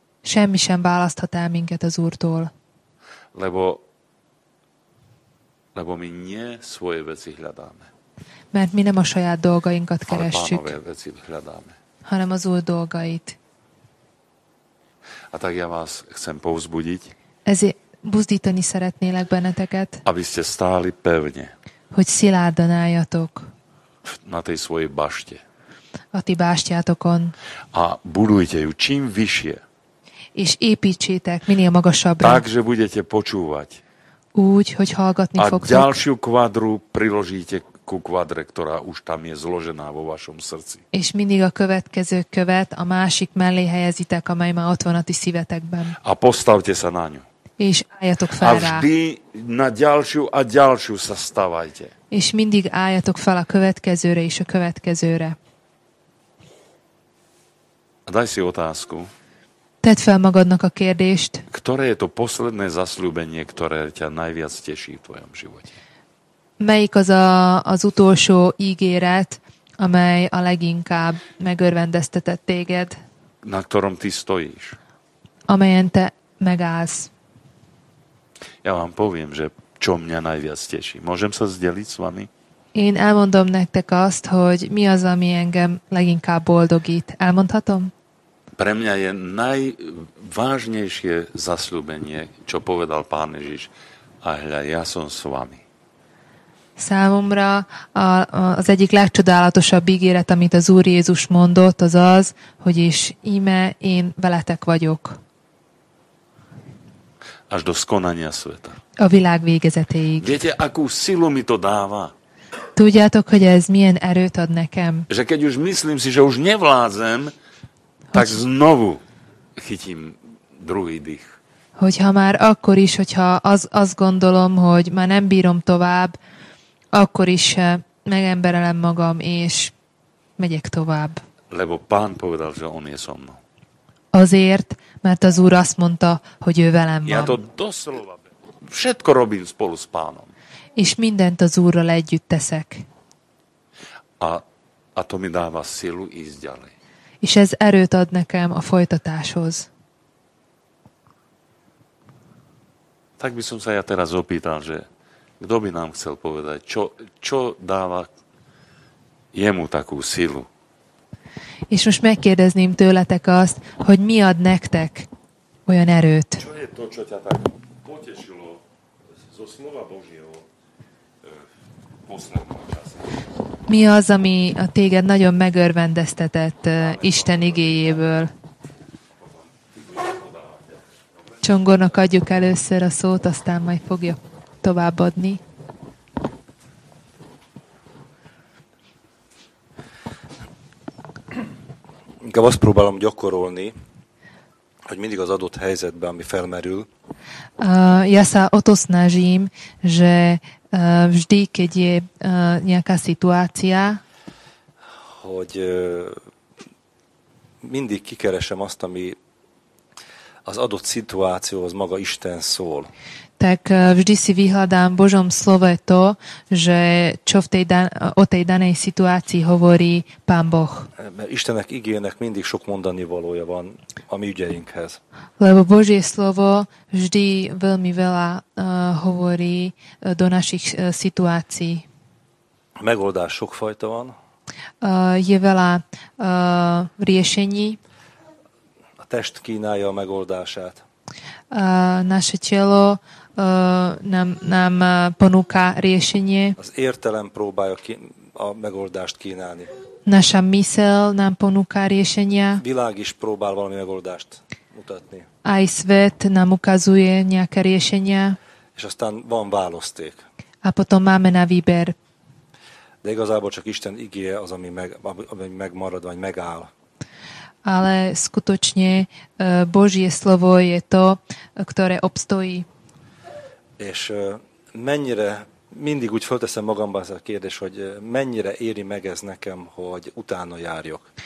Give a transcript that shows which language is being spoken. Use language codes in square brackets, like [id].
[hu] Semmi sem választhat el minket az úrtól. [sk] Lebo mi nie svoje veci hľadáme. [hu] Mert mi nem a saját dolgainkat keressük. [sk] Ale pánové veci hľadáme. [hu] Hanem az úr dolgait. [sk] A tak ja vás chcem povzbudiť. [hu] Ezért buzdítani szeretnélek benneteket. [sk] Aby ste stáli pevne. [hu] Hogy szilárdan álljatok. [sk] Na tej svojej bašte. [hu] A ti báštiátokon. [sk] A budujte ju čím vyššie. [hu] És építsétek minél magasabbra. [sk] Tak, že budete počúvať. [hu] Úgy, hogy hallgatni a fogtok. [sk] A ďalšiu kvadru priložíte ku kvadre, ktorá už tam je zložená vo vašom srdci. [hu] És mindig a következő követ a másik mellé helyezitek, amely már ott van a ti szívetekben. [sk] A postavte sa na ňu. [hu] És álljatok fel rá. [sk] A vždy [hu] rá. [sk] Na ďalšiu a ďalšiu sa stavajte. [hu] És mindig álljatok fel a következőre és a következőre. [sk] A daj si otázku. [hu] Tedd fel magadnak a kérdést. [sk] Ktoré je to posledné zasľúbenie, ktoré ťa najviac teší v tvojom živote? [hu] Melyik az az utolsó ígéret, amely a leginkább megörvendeztetett téged? [sk] Na ktorom ty stojíš. [hu] Amelyen te megállsz. [sk] Ja vám poviem, že čo mňa najviac teší. Môžem sa zdeliť s vami? [hu] Én elmondom nektek azt, hogy mi az, ami engem leginkább boldogít. Elmondhatom? [sk] Pre mňa je najvážnejšie zasľúbenie, čo povedal Pán Ježiš. A hľa, ja som s vami. [hu] Számomra az egyik legcsodálatosabb ígéret, amit az Úr Jézus mondott, az az, hogy és íme én veletek vagyok. [sk] Až do skonania sveta. [hu] A világ végezetéig. [sk] Viete, akú silu mi to dáva? [hu] Tudjátok, hogy ez milyen erőt ad nekem? [sk] Že keď už myslím si, že už nevládzem, tak znovu chytím druhý dých. [hu] Hogyha már akkor is, hogyha azt gondolom, hogy már nem bírom tovább, akkor is megemberelem magam, és megyek tovább. [sk] Lebo pán povedal, že on je so mnou. [hu] Azért, mert az Úr azt mondta, hogy ő velem van. [sk] Ja to doslova, všetko robím spolu s pánom. [hu] És mindent az Úrral együtt teszek. [sk] A to mi dáva silu ísť ďalej. [hu] És ez erőt ad nekem a folytatáshoz. [sk] Tak by som sa ja teraz opýtal, že kto by nám chcel povedať, čo dáva jemu takú silu. [hu] És most megkérdezném tőletek azt, hogy mi ad nektek olyan erőt. [sk] Čo je to, čo ťa tak potešilo zo slova Božieho posledného času? [hu] Mi az, ami a téged nagyon megörvendeztetett Isten igéjéből? Csongornak adjuk először a szót, aztán majd fogja továbbadni. Inkább azt próbálom gyakorolni, hogy mindig az adott helyzetben, ami felmerül. [sk] Ja sa o to snažím, že vždy, keď je nejaká situácia, [hu] hogy mindig kikeresem azt, ami az adott situációhoz maga Isten szól. [sk] Tak vždy si vyhľadám Božom slove to, že čo v tej o tej danej situácii hovorí Pán Boh. [hu] Mert Istennek igének mindig sok mondani valója van a mi ügyeinkhez. [sk] Lebo Božie slovo vždy veľmi veľa hovorí do našich situácií. [hu] Megoldás sokfajta van. [sk] Je veľa riešení. [hu] A test kínálja a megoldását. [sk] Naše telo nám ponúka riešenie. [hu] Az értelem próbálja a megoldást kínálni. [sk] Naša mysel nám ponúka riešenia. [hu] Világ is próbál valami megoldást mutatni. [sk] Aj svet nám ukazuje nejaké riešenia. [hu] És aztán van választék. [sk] A potom máme na výber. [hu] De igazából csak Isten igéje az, ami megmarad, vagy megáll. [sk] Ale skutočne Božie slovo je to, ktoré obstojí. [hu] És mennyire, mindig úgy fölteszem magamban ezt a kérdést, hogy mennyire éri meg ez nekem, hogy utána járjok.